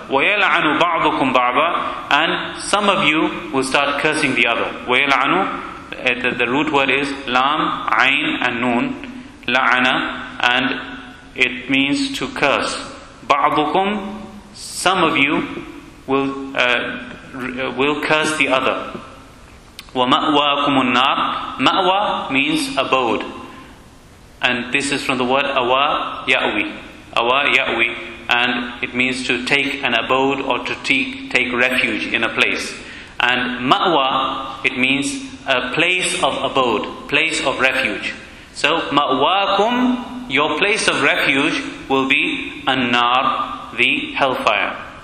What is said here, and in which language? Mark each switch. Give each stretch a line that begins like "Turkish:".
English: وَيَلْعَنُ بَعْضُكُمْ بَعْضًا, and some of you will start cursing the other. وَيَلْعَنُ, the root word is لَام, عَيْن and نُون, لَعَنَ, and it means to curse. بَعْضُكُمْ, some of you will curse the other.
Arabic: وَمَأْوَاكُمُ النَّارِ, مَأْوَى means abode.
English: And this is from the word أَوَى يَأْوِي. أَوَى يَأْوِي, and it means to take an abode or to take refuge in a place. And مَأْوَى, it means a place of abode, place of refuge. So مَأْوَاكُمْ, your place of refuge will be an-nar, the hellfire.